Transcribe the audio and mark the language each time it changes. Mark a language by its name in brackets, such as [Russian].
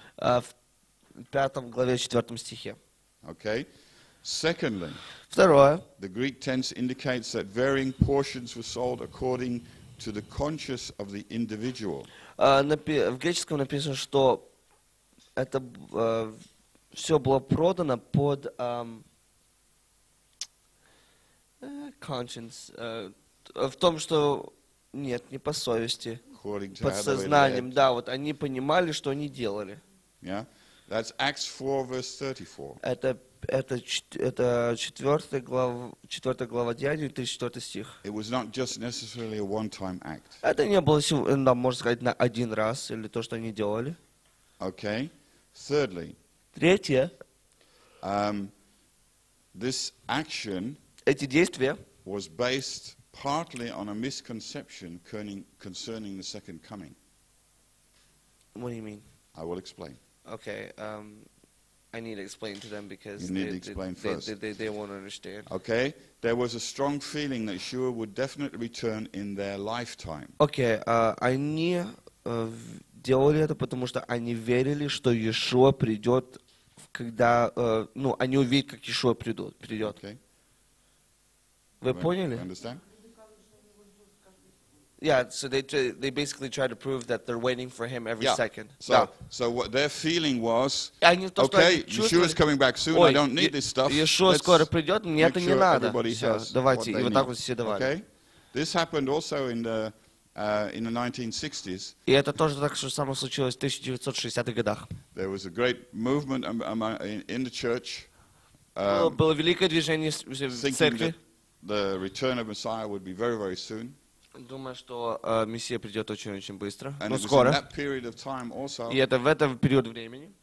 [Russian] В пятом главе, четвертом стихе. [English] Okay. Secondly, [Russian] второе. [English] The Greek tense indicates that varying portions were sold according to the conscience of the individual. [Russian] В греческом написано, что это все было продано под conscience, в том, что нет, не по совести, под сознанием, да, вот они понимали, что они делали. [English] Yeah, that's Acts 4, verse 34. [Russian] Это четвертая глава Деяний, 34 стих. [English] It was not just necessarily a one-time act. [Russian] Это не было, да, можно сказать, на один раз, или то, что они делали. [English] Okay. Thirdly. [Russian] Третье. [English] This action. [Russian] Эти действия. [English] Was based partly on a misconception concerning the second coming. What do you mean? I will explain. Okay. I need to explain to them because they won't understand. Okay. There was a strong feeling that Yeshua would definitely return in their lifetime. Okay. [Russian] Они делали это, потому что они верили, что Иешуа придет, когда, ну, они увидят, как Иешуа придет. Okay. Вы поняли? [English] Understand? Yeah, so they basically try to prove that they're waiting for him every second. So, yeah. So what their feeling was, okay, Yeshua's coming back soon, I don't need this stuff. [Russian] Yeshua скоро придет, мне это не надо. Все, давайте, и вот так вот все давали. Okay? [English] This happened also in the 1960s. [Russian] И это тоже так же самое случилось в 1960-х годах. [English] There was a great movement in the church. [Russian] Было великое движение в церкви. [English] The return of Messiah would be very, very soon. [Russian] Думаю, что Мессия придет очень-очень быстро, но скоро. [English] Also, [Russian] и это в этот период времени.